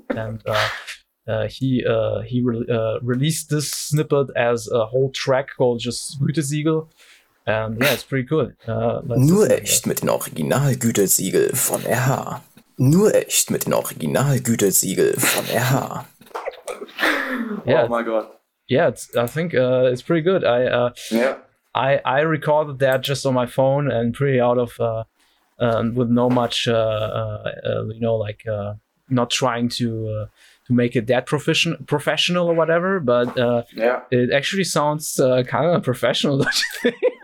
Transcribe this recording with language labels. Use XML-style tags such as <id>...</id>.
<en>And he released this snippet as a whole track called just Gütesiegel, and yeah, it's pretty good.</en> <de>Nur echt mit den Original Gütesiegel von RH. Nur echt mit den Original Gütesiegel von RH.</de> <en>Oh my god. Yeah, I think it's pretty good. I recorded that just on my phone and pretty out of with no much not trying to make it that professional or whatever, but it actually sounds kind of professional, don't you think?</en>